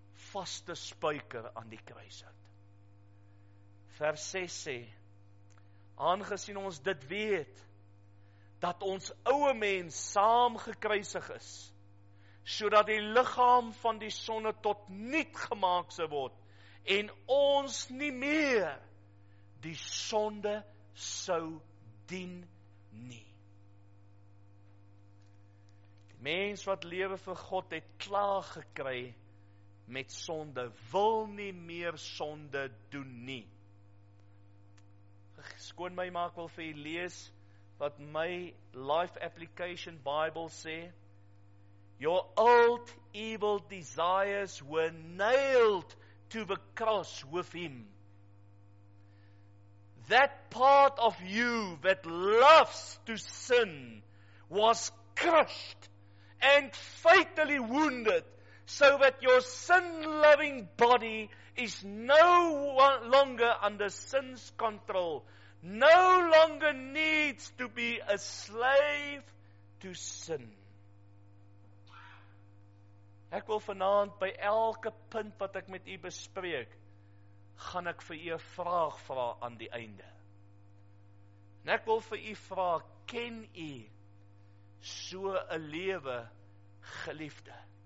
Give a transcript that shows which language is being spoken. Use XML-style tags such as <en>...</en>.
<af>vaste spyker aan die kruis het. Vers 6 sê, aangesien ons dit weet, dat ons ouwe mens saam gekruisig is, sodat die lichaam van die sonde tot niet gemaakt sou word, en ons nie meer die sonde sou dien nie. Die mens wat lewe vir God het klaar gekry met sonde, wil nie meer sonde doen nie. Skoon my, maar ek wil vir jy lees wat my Life Application Bible sê,</af> <en>your old evil desires were nailed to the cross with him. That part of you that loves to sin was crushed and fatally wounded so that your sin-loving body is no longer under sin's control, no longer needs to be a slave to sin.</en> <af>Ek wil vanavond by elke punt wat ek met u bespreek, gaan ek vir u een vraag vra aan die einde. En ek wil vir u vra, ken u so een lewe, geliefde?</af>